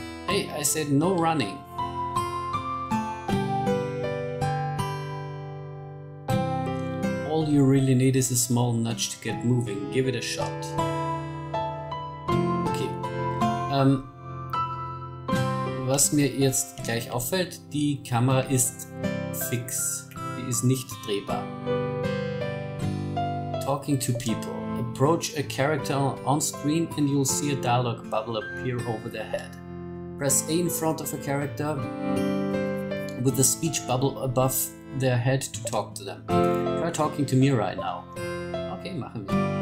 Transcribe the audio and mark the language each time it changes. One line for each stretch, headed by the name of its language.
English: Hey, I said no running. All you really need is a small nudge to get moving. Give it a shot.
German: Was mir jetzt gleich auffällt, die Kamera ist fix. Die ist nicht drehbar.
English: Talking to people. Approach a character on screen and you'll see a dialogue bubble appear over their head. Press A in front of a character with the speech bubble above their head to talk to them. Try talking to me right now.
German: Okay, machen wir.